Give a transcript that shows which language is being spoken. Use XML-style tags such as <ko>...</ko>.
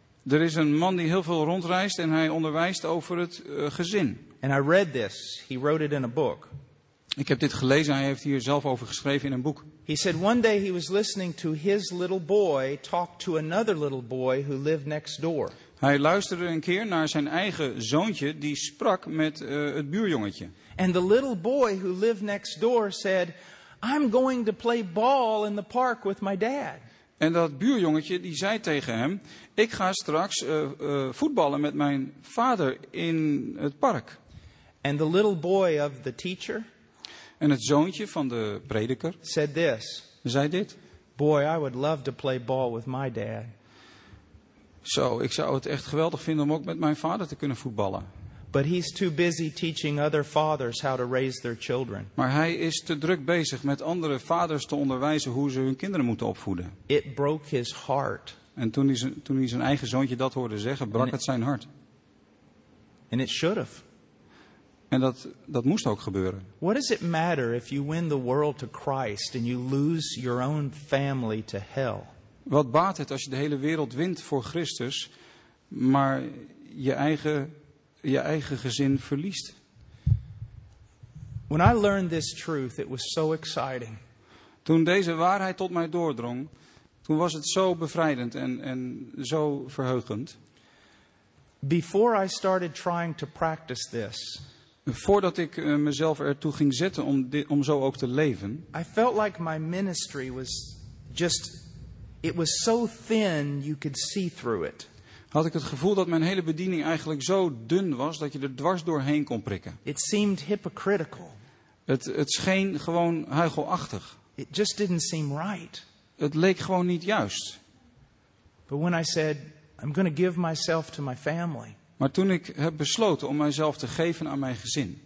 <nl>Er is een man die heel veel rondreist en hij onderwijst over het gezin.</nl> <en>And I read this. He wrote it in a book.</en> <nl>Ik heb dit gelezen. Hij heeft hier zelf over geschreven in een boek.</nl> <en>He said one day he was listening to his little boy talk to another little boy who lived next door.</en> <nl>Hij luisterde een keer naar zijn eigen zoontje die sprak met het buurjongetje.</nl> <en>And the little boy who lived next door said, I'm going to play ball in the park with my dad.</en> <nl>En dat buurjongetje die zei tegen hem, ik ga straks voetballen met mijn vader in het park.</nl> <en>And the little boy of the teacher.</en> <nl>En het zoontje van de prediker.</nl> <en>Said this.</en> <nl>Zei dit.</nl> <en>Boy, I would love to play ball with my dad.</en> <nl>Zo, ik zou het echt geweldig vinden om ook met mijn vader te kunnen voetballen.</nl> <en>But he's too busy teaching other fathers how to raise their children.</en> <nl>Maar hij is te druk bezig met andere vaders te onderwijzen hoe ze hun kinderen moeten opvoeden.</nl> <en>It broke his heart.</en> <nl>En toen hij zijn eigen zoontje dat hoorde zeggen, brak het zijn hart.</nl> <en>And it should have.</en> <nl>En dat moest ook gebeuren.</nl> <en>What does it matter if you win the world to Christ and you lose your own family to hell?</en> <nl>Wat baat het als je de hele wereld wint voor Christus, maar je eigen gezin verliest?</nl> <en>When I learned this truth, it was so exciting.</en> <nl>Toen deze waarheid tot mij doordrong, toen was het zo bevrijdend en zo verheugend.</nl> <en>Before I started trying to practice this,</en> <nl>voordat ik mezelf ertoe ging zetten om zo ook te leven,</nl> <en>I felt like my ministry was just. It was so thin you could see through it.</en> <nl>had ik het gevoel dat mijn hele bediening eigenlijk zo dun was dat je er dwars doorheen kon prikken.</nl> <en>It seemed hypocritical.</en> <nl>Het scheen gewoon huichelachtig.</nl> <en>It just didn't seem right.</en> <nl>Het leek gewoon niet juist.</nl> <en>But when I said, I'm going to give myself to my family.</en> <nl>Maar toen ik heb besloten om mijzelf te geven aan mijn gezin.</nl>